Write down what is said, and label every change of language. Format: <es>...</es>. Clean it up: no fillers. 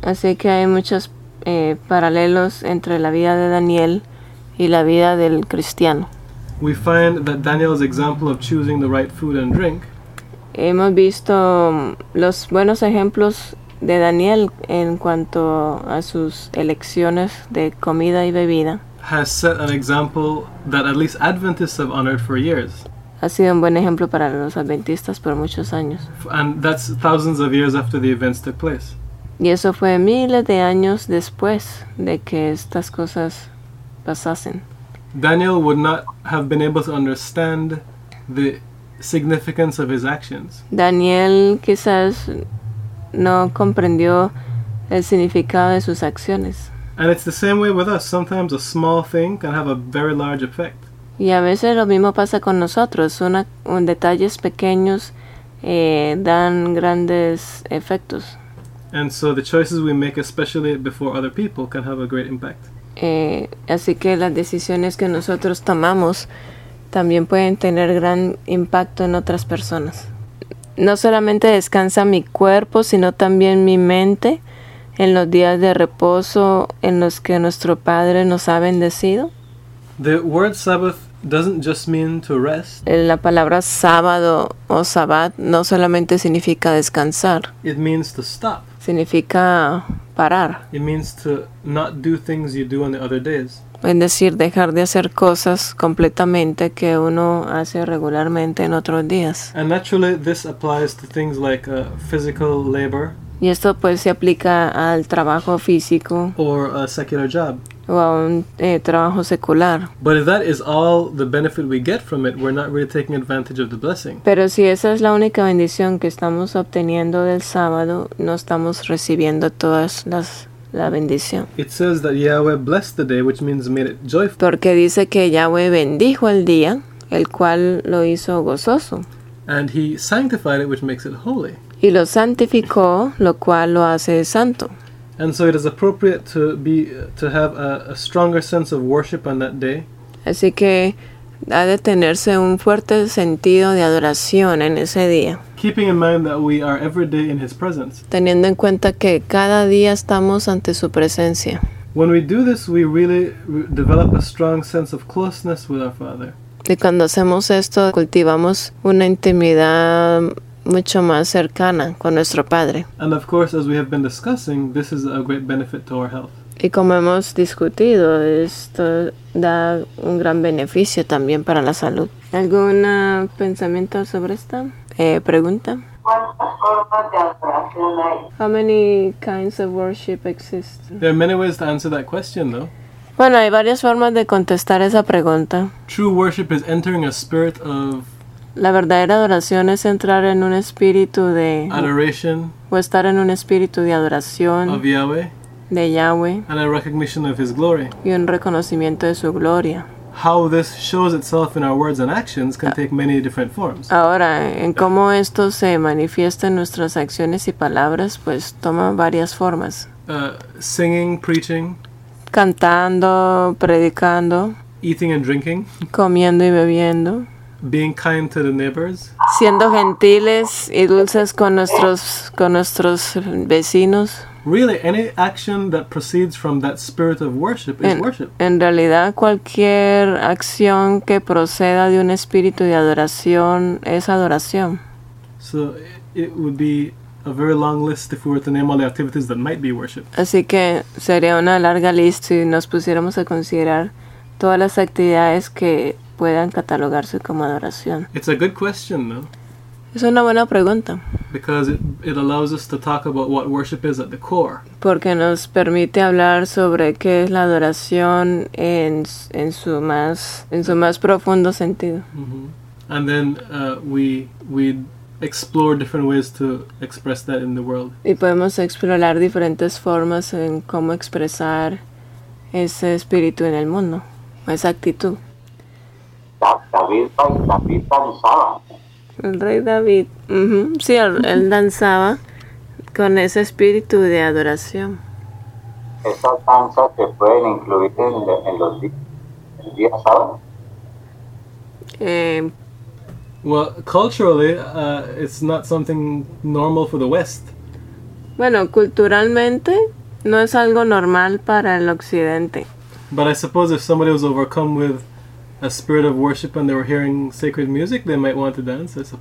<es>Así que hay muchos paralelos entre la vida de Daniel y la vida del cristiano.</es> <en>We find that Daniel's example of choosing the right food and drink.</en> <es>Hemos visto los buenos ejemplos de Daniel en cuanto a sus elecciones de comida y bebida.</es> <en>Has set an example that at least Adventists have honored for years.</en> <es>Ha sido un buen ejemplo para los adventistas por muchos años.</es> <en>And that's thousands of years after the events took place.</en> <es>Y eso fue miles de años después de que estas cosas pasasen.</es> <en>Daniel would not have been able to understand the significance of his actions.</en> <es>Daniel quizás no comprendió el significado de sus acciones.</es> <en>And it's the same way with us. Sometimes a small thing can have a very large effect.</en> <es>Y a veces lo mismo pasa con nosotros. Un detalles pequeños dan grandes efectos.</es> <en>And so the choices we make, especially before other people, can have a great impact.</en> <es>Así que las decisiones que nosotros tomamos también pueden tener gran impacto en otras personas. no solamente descansa mi cuerpo, sino también mi mente en los días de reposo en los que nuestro Padre nos ha bendecido.</es> <en>The word Sabbath doesn't just mean to rest.</en> <es>La palabra sábado o sabbat no solamente significa descansar.</es> <en>It means to stop.</en> <es>Significa parar.</es> <en>It means to not do things you do on the other days.</en> <es>Es decir, dejar de hacer cosas completamente que uno hace regularmente en otros días.</es> <en>And naturally, this applies to things like physical labor.</en> <es>Y esto pues se aplica al trabajo físico.</es> <en>Or a secular job.</en> <es>O a un trabajo secular.</es> <en>But if that is all the benefit we get from it, we're not really taking advantage of the blessing.</en> <es>Pero si esa es la única bendición que estamos obteniendo del sábado, no estamos recibiendo todas las la bendición.</es> <en>It says that Yahweh blessed the day, which means made it joyful.</en> <es>Porque dice que Yahweh bendijo el día, el cual lo hizo gozoso.</es> <en>And he sanctified it, which makes it holy.</en> <es>Y lo santificó, lo cual lo hace santo.</es> <en>And so it is appropriate to have a stronger sense of worship on that day.</en> <es>Así que ha de tenerse un fuerte sentido de adoración en ese día.</es> <en>Keeping in mind that we are every day in his presence.</en> <es>Teniendo en cuenta que cada día estamos ante su presencia.</es> <en>When we do this, we really develop a strong sense of closeness with our Father.</en> <es>Y cuando hacemos esto, cultivamos una intimidad mucho más cercana con nuestro Padre.</es> <en>And of course, as we have been discussing, this is a great benefit to our health.</en> <es>Y como hemos discutido, esto da un gran beneficio también para la salud. ¿Algún pensamiento sobre esta pregunta? ¿Cuántas formas de adoración hay?</es> <en>How many kinds of worship exist? There are many ways to answer that question, though.</en> <es>Bueno, hay varias formas de contestar esa pregunta.</es> <en>True worship is entering a spirit of</en> <es>la verdadera adoración es entrar en un espíritu de</es> <en>adoration,</en> <es>o estar en un espíritu de adoración</es> <en>of Yahweh,</en> <es>de Yahweh,</es> <en>and a recognition of his glory.</en> <es>Y un reconocimiento de su gloria.</es> <en>How this shows itself in our words and actions can take many different forms.</en> <es>Ahora, en cómo esto se manifiesta en nuestras acciones y palabras, pues toma varias formas.</es> <en>Singing, preaching,</en> <es>cantando, predicando,</es> <en>eating and drinking,</en> <es>comiendo y bebiendo.</es> <en>Being kind to the neighbors.</en> <es>Siendo gentiles y dulces con nuestros vecinos.</es> <en>Really, any action that proceeds from that spirit of worship is worship.</en> <es>En realidad, cualquier acción que proceda de un espíritu de adoración es adoración.</es> <en>So it would be a very long list if we were to name all the activities that might be worship.</en> <es>Así que sería una larga lista si nos pusiéramos a considerar todas las actividades que puedan catalogarse como adoración.</es> <en>It's a good question, though.</en> <es>Es una buena pregunta.</es> <en>Because it allows us to talk about what worship is at the core.</en> <es>Porque nos permite hablar sobre qué es la adoración en su más profundo sentido. Mm-hmm.</es> <en>And then we explore different ways to express that in the world.</en> <es>Y podemos explorar diferentes formas en cómo expresar ese espíritu en el mundo, esa actitud. David danzaba. El rey David. Sí, él danzaba con ese espíritu de adoración. ¿Esas danzas se pueden incluir en los días sábados?</es> <en>Well, culturally, it's not something normal for the West.</en> <es>Bueno, culturalmente, no es algo normal para el occidente.</es> <en>But I suppose if somebody was overcome with a spirit of worship and they were hearing sacred music, they might want to dance, I suppose.</en>